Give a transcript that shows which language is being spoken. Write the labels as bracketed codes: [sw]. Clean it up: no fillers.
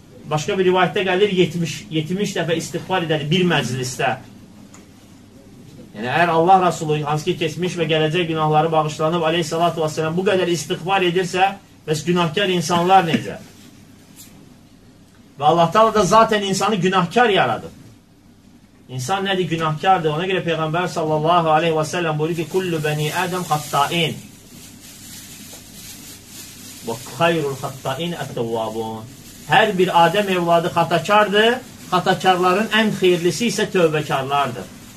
[az] Başqa bir rivayətdə gəlir 70 dəfə istiğfar edərdi bir məclisdə. Yəni, əgər Allah Rasulü hansı ki keçmiş və gələcək günahları bağışlanıb aleyhissalatü vəsələm bu qədər istiğfar edirsə, bəs günahkar insanlar necə? Və Allah Taala da zaten insanı günahkar yaradı. İnsan nədir? Günahkardır. Ona görə Peyğəmbər [ar] sallallahu aleyhi və sələm [az] buyurur ki, [ar] Kullu bəni ədəm xattain və xayrul xattain ət-təvvabun. [az] Hər bir Adəm evladı xatakardır, xatakarların ən xeyirlisi isə tövbəkarlardır.